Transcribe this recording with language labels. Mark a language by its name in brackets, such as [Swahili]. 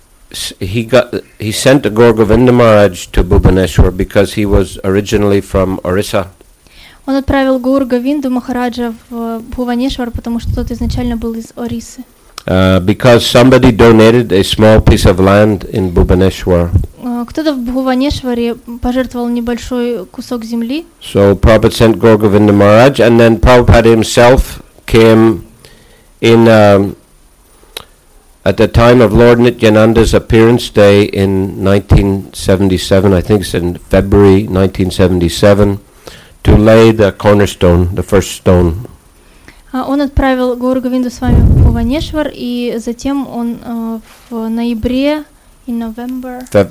[English] Prabhupada, he sent Gaur Govinda Maharaj to Bhubaneswar because he was originally from Orissa. [Russian] Он отправил Гуру Говинду Махараджа в Бхуванешвар, потому что тот изначально был из Орисы. [English] Because somebody donated a small piece of land in Bhubaneswar. [Russian] Кто-то в Бхуванешваре пожертвовал небольшой кусок земли. [English] So Prabhupada sent Guru Govinda Maharaj, and then Prabhupada himself came in at the time of Lord Nityananda's appearance day in 1977, I think it's in February 1977, to lay the cornerstone, the first stone. [Russian] Он отправил Гуру Говинду с вами в Бхуванешвар, и затем он в ноябре, [English] in November...